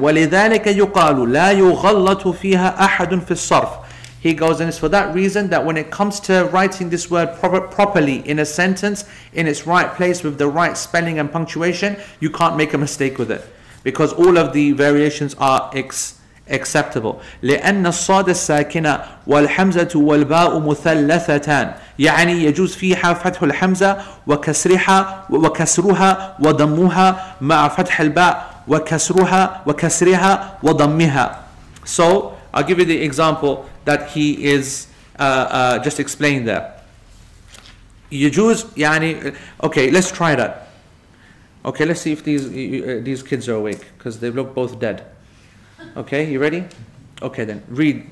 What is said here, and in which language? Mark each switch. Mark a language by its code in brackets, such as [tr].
[ar] وَلِذَٰلِكَ يُقَالُ لَا يُغَلَّطُ فِيهَا أَحَدٌ فِي الصَّرْفِ. [en] He goes, and it's for that reason that when it comes to writing this word properly in a sentence, in its right place with the right spelling and punctuation, you can't make a mistake with it. Because all of the variations are acceptable. [ar] لأن الصاد الساكنة والحمزة والباء مثلثتان يعني يجوز فيها فتح الحمزة وكسرها وكسرها وضمها مع فتح الباء وكسرها وكسرها وضمها. [en] So I'll give you the example that he is just explaining there. [ar] يجوز يعني [en] okay, let's try that. Okay, let's see if these kids are awake because they look both dead. Okay, you ready? Okay, then read.